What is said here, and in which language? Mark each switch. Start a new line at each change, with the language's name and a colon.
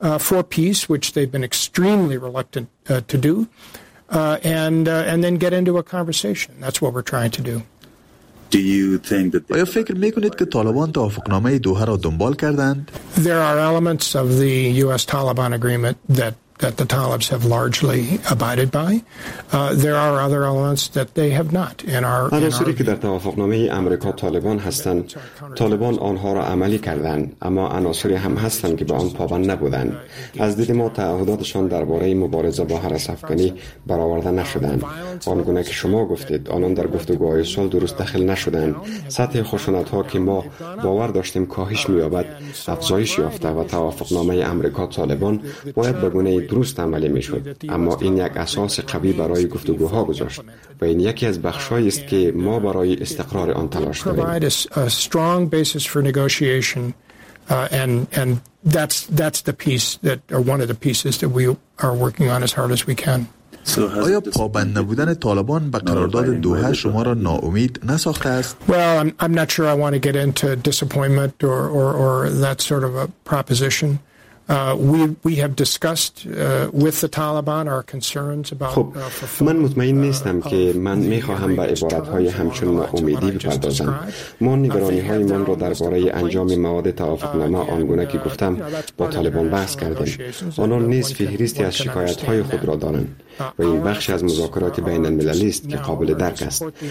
English: For peace, which they've been extremely reluctant to do, and then get into a conversation. That's what we're trying to do. Do you think that?
Persian: آیا فکر میکنید که طالبان توافقنامه دوحه را دنبال کردند؟
English: There are elements of the U.S.-Taliban agreement that the Talibs have largely abided by. There are other elements that they have not.
Persian: عناصری که در توافقنامه آمریکا طالبان هستند، طالبان آنها را عملی کردند، اما عناصری هم هستند که به آن پابند نبودند. از دید ما تعهداتشان درباره مبارزه با هرس‌افکنی برآورده نشدند. آنگونه که شما گفتید، آنان در گفتگوهای صلح درست دخیل نشدند. سطح خشونت‌ها که ما باور داشتیم کاهش می‌یابد، افزایش یافته و توافقنامه آمریکا طالبان باید به گونه‌ای درست عملی می‌شد. اما این یک اساس قوی برای گفتگوها گذاشت و این یکی از بخش‌هایی است که ما برای استقرار آن تلاش داریم.
English: And that's the piece that or one of the pieces that we are working on as hard as we can.
Persian: آیا پابند نبودن طالبان به قرارداد دوحه شما را ناامید نساخته است؟
English: Well, I'm not sure I want to get into disappointment or that sort of a proposition. We have discussed with the Taliban our concerns about.
Persian: خب من مطمئن نیستم که من میخواهم به عبارت های همچون ناامیدی بپردازم. ما نگرانی های من را درباره انجام مواد توافقنامه آنگونه که گفتم با طالبان بحث کردیم. آنان نیز فهرستی از شکایت های خود را دارند و این بخش از مذاکرات بین المللی است که قابل درک است.